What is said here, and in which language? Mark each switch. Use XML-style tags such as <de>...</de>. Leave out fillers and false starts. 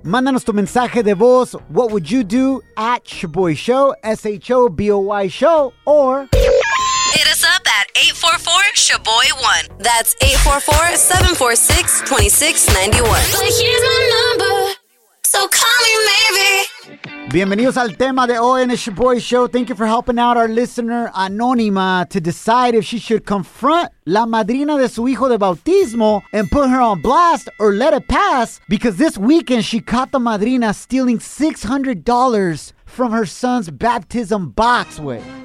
<es>Mándanos tu mensaje de voz.</es> <en>What would you do? At Shaboy Show, S-H-O-B-O-Y Show, or... Hit us up at 844-SHABOY1. That's 844-746-2691. But here's my number, so call me maybe.</en> <es>Bienvenidos al tema de hoy en el Shaboy Show.</es> <en>Thank you for helping out our listener, Anónima, to decide if she should confront</en> <es>la madrina de su hijo de bautismo</es> <en>and put her on blast or let it pass, because this weekend she caught the madrina stealing $600 from her son's baptism box with.</en>